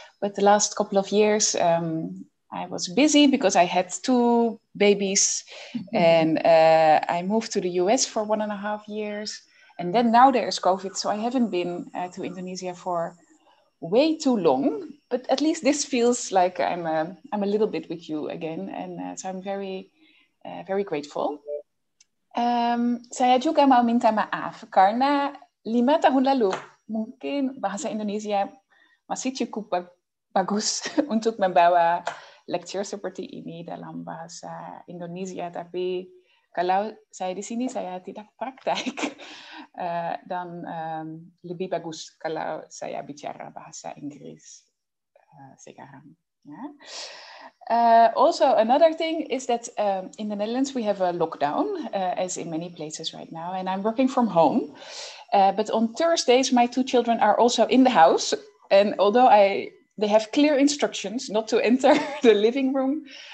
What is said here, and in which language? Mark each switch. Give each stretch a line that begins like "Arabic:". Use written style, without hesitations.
English: But the last couple of years, I was busy because I had two babies, mm-hmm. and I moved to the US for 1.5 years. And then now there is COVID, so I haven't been to Indonesia for way too long, but at least this feels like I'm a little bit with you again. And so I'm very, very grateful.
Indonesian: Saya juga mau minta maaf karena 5 tahun lalu mungkin bahasa Indonesia masih cukup bagus untuk membawa lecture seperti ini dalam bahasa Indonesia, tapi kalau saya di sini, saya tidak praktek, dan lebih bagus kalau saya bicara bahasa Inggris sekarang.
English: Yeah. Also, another thing is that in the Netherlands, we have a lockdown, as in many places right now, and I'm working from home. But on Thursdays, my two children are also in the house, and although they have clear instructions not to enter the living room.